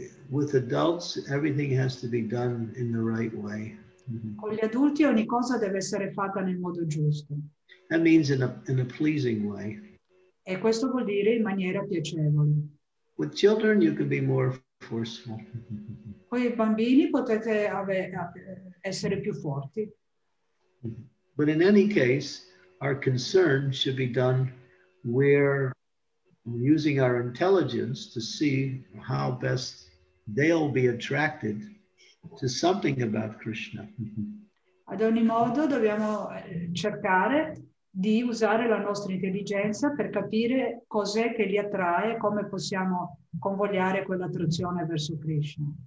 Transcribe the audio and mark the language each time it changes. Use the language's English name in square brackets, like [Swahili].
[English] With adults, everything has to be done in the right way. [Italian] Con gli adulti ogni cosa deve essere fatta nel modo giusto. [English] That means in a pleasing way. [Italian] E questo vuol dire in maniera piacevole. [English] With children, you can be more forceful. [Italian] Con i bambini potete essere più forti. [English] But in any case, our concern should be done. We're using our intelligence to see how best they'll be attracted to something about Krishna. [Italian] Ad ogni modo, dobbiamo cercare di usare la nostra intelligenza per capire cos'è che li attrae, come possiamo convogliare quell'attrazione verso Krishna.